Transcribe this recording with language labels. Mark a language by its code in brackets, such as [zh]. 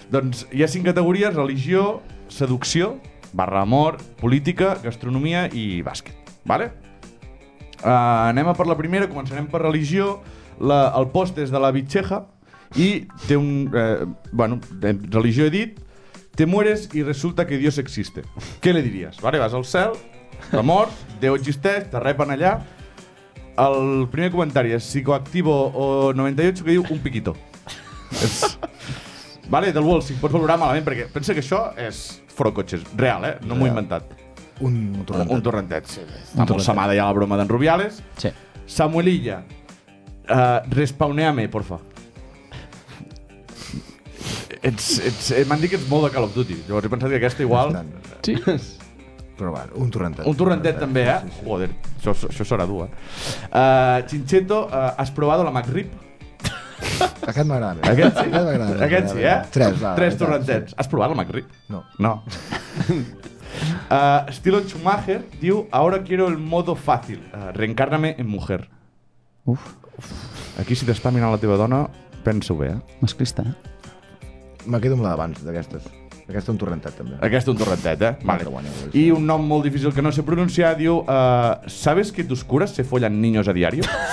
[ca] Doncs hi ha 5 categories, religió, seducció, barra amor, política, gastronomia i bàsquet, vale? Anem a per la primera, començarem per religió. El post és de la Vitxeja i té un... religió he dit. [es] Te mueres i resulta que Dios existe. [ca] Què li diries? Vale, vas al cel, la mort, Déu existeix, te repen allà. El primer comentari és psicoactivo o 98 que diu un piquito. És... Vale, del Wolf, si pots valorar malament, perquè pensa que això és Forocotxes, real, eh? No m'ho he inventat. Un torrentet. Un torrentet, sí. Està molt samada ja la broma d'en Rubiales. Sí. [es] Samuelilla, respawneame, porfa. [ca] M'han dit que ets molt de Call of Duty, llavors he pensat que aquesta igual... Sí. Però va, un torrentet. Un torrentet també, eh? Sí, sí. Joder, això serà dur, eh? Chinchetto, has provat la McRib? Aquest m'agrada. Aquest sí, aquest sí, eh? Tres, va. Tres torrentets. Sí. Has provat la McRib? No. No. [es] Estilo Schumacher diu, ahora quiero el modo fácil, reencárname en mujer. Uf. [ca] Aquí, si t'està mirant la teva dona, pensa-ho bé, eh? Masclista, eh? Me quedo amb la d'abans, d'aquestes. Aquesta un torrentet, també. Aquesta un torrentet, eh? Vale. I un nom molt difícil que no sé pronunciar, diu... [es] ¿Sabes que tus curas se follan niños a diario?